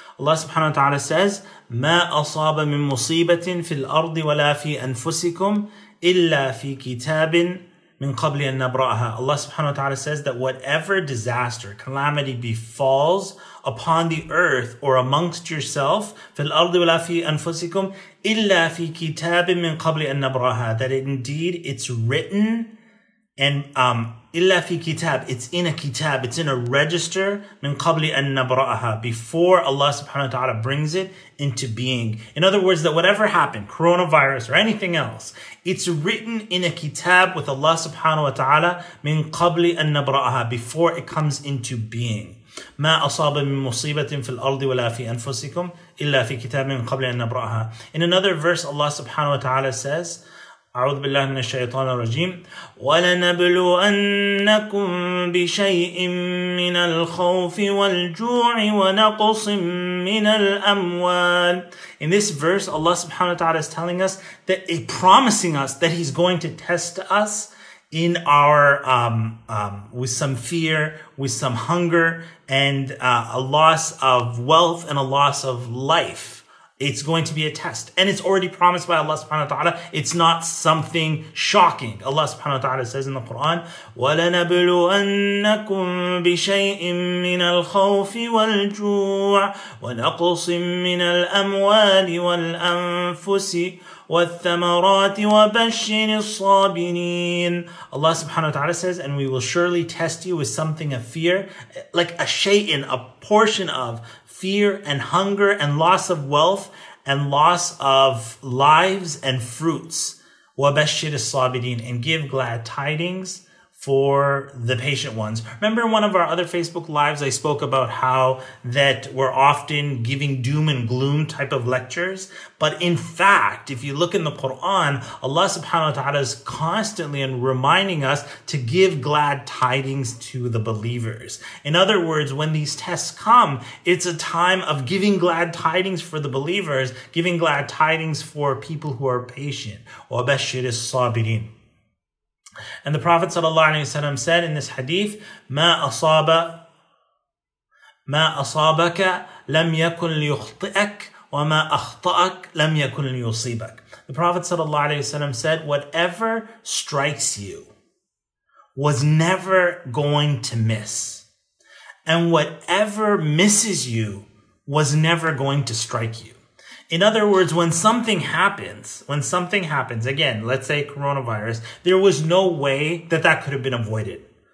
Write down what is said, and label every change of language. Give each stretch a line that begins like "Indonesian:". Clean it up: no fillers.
English: Allah subhanahu wa ta'ala says,
Arabic: ما أصاب من مصيبة في الأرض ولا في أنفسكم إلا في كتاب من قبل أن نبرأها.
English: Allah subhanahu wa ta'ala says that whatever disaster, calamity befalls upon the earth or amongst yourself,
Arabic: في الأرض ولا في أنفسكم إلا في كتاب من قبل أن نبرأها,
English: that indeed it's written and
Arabic: إلا في كتاب,
English: it's in a kitab, it's in a register,
Arabic: من قبل أن نبرأها,
English: before Allah subhanahu wa ta'ala brings it into being. In other words, that whatever happened, coronavirus or anything else, it's written in a kitab with Allah subhanahu wa ta'ala,
Arabic: من قبل أن نبرأها,
English: before it comes into being.
Arabic: ما أصاب من مصيبة في الأرض ولا في أنفسكم إلا في كتاب من قبل أن نبرأها.
English: In another verse, Allah subhanahu wa ta'ala says,
Arabic: أعوذ بالله من الشيطان الرجيم ولنبلونكم بشيء من الخوف والجوع ونقص من الأموال.
English: In this verse, Allah subhanahu wa ta'ala is telling us that promising us that He's going to test us in our with some fear, with some hunger, and a loss of wealth and a loss of life. It's going to be a test. And it's already promised by Allah subhanahu wa ta'ala. It's not something shocking. Allah subhanahu wa ta'ala says in the Quran,
Arabic: وَلَنَبْلُوَنَّكُمْ بِشَيْءٍ مِّنَ الْخَوْفِ وَالْجُوعِ وَنَقْصٍ مِّنَ الْأَمْوَالِ وَالْأَنفُسِ وَالثَّمَرَاتِ وَبَشِّرِ الصَّابِرِينَ.
English: Allah subhanahu wa ta'ala says, and we will surely test you with something of fear, like a shay'in, a portion of fear and hunger and loss of wealth and loss of lives and fruits.
Arabic: وَبَشِّرِ الصَّابِرِينَ,
English: and give glad tidings for the patient ones. Remember in one of our other Facebook lives, I spoke about how that we're often giving doom and gloom type of lectures. But in fact, if you look in the Quran, Allah subhanahu wa ta'ala is constantly and reminding us to give glad tidings to the believers. In other words, when these tests come, it's a time of giving glad tidings for the believers, giving glad tidings for people who are patient.
Arabic: وَبَشِّرِ الصَّابِرِينَ.
English: And the Prophet ﷺ said in this hadith,
Arabic: ما أصابك لم يكن ليخطئك وما أخطأك لم يكن ليصيبك.
English: The Prophet ﷺ said, whatever strikes you was never going to miss. And whatever misses you was never going to strike you. In other words, when something happens, again, let's say coronavirus, there was no way that could have been avoided.